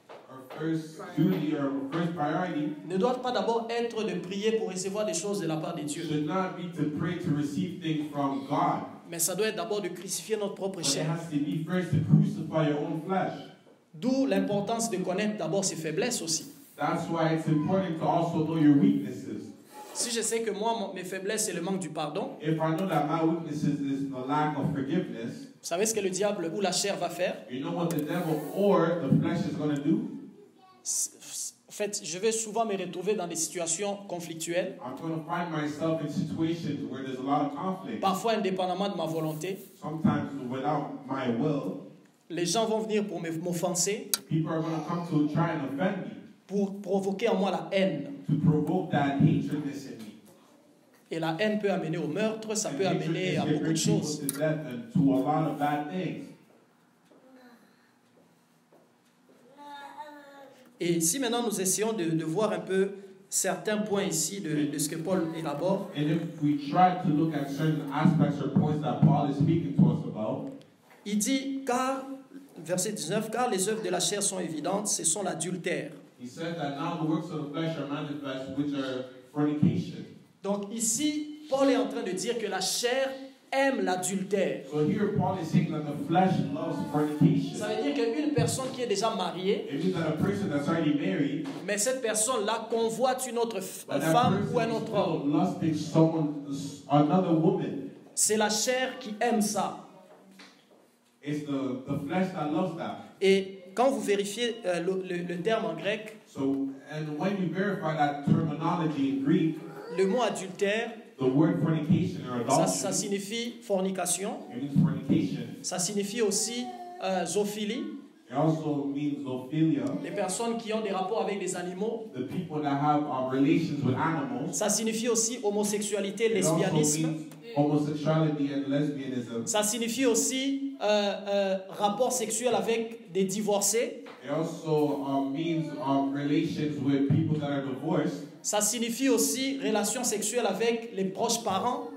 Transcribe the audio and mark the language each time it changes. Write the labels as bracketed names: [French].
[English] our first duty or first priority, [French] ne doit pas d'abord être de prier pour recevoir des choses de la part de Dieu. [English] Should not be to pray to receive things from God. [French] Mais ça doit être d'abord de crucifier notre propre chair. [English] But it has to be first to crucify your own flesh. [French] D'où l'importance de connaître d'abord ses faiblesses aussi. [English] That's why it's important to also know your weaknesses. [French] Si je sais que moi mes faiblesses c'est le manque du pardon. [English] If I know that my weaknesses is the lack of forgiveness. [French] Vous savez ce que le diable ou la chair va faire? [English] You know what the devil or the flesh is going to do? [French] En fait, je vais souvent me retrouver dans des situations conflictuelles. [English] I'm going to find myself in situations where there's a lot of conflict. [French] Parfois, indépendamment de ma volonté. [English] Sometimes without my will. [French] Les gens vont venir pour m'offenser. [English] People are going to come to try and offend me. [French] Pour provoquer en moi la haine. [English] To provoke that hatred in me. [French] Et la haine peut amener au meurtre, ça [English] and [French] peut amener à beaucoup de choses. [English] To death and to a lot of bad things. [French] Et si maintenant nous essayons de voir un peu certains points ici de ce que Paul élabore. [English] And if we try to look at certain aspects or points that Paul is speaking to us about. [French] Il dit, car, verset 19, car les œuvres de la chair sont évidentes, ce sont l'adultère. [English] He said that now the works of the flesh are manifest, which are fornication. [French] Donc ici, Paul est en train de dire que la chair aime l'adultère. [English] So here Paul is saying that the flesh loves fornication. [French] Ça veut dire qu'une personne qui est déjà mariée, [English] it means that a person that's already married, [French] mais cette personne-là convoite une autre femme ou un autre homme. [English] Lusting someone, another woman. [French] C'est la chair qui aime ça. [English] It's the flesh that loves that. [French] Et quand vous vérifiez le terme en grec, [English] so, and when you verify that terminology in Greek, [French] le mot adultère, [English] the word fornication or adultery, [French] ça signifie fornication. [English] It means fornication. [French] Ça signifie aussi zoophilie. [English] It also means zoophilia. [French] Les personnes qui ont des rapports avec des animaux. [English] The people that have relations with animals. [French] Ça signifie aussi homosexualité, lesbianisme. [English] It also means homosexuality and lesbianism. [French] Ça signifie aussi rapport sexuel avec des divorcés. [English] It also means relations with people that are divorced. [French] Ça signifie aussi relation sexuelle avec les proches parents.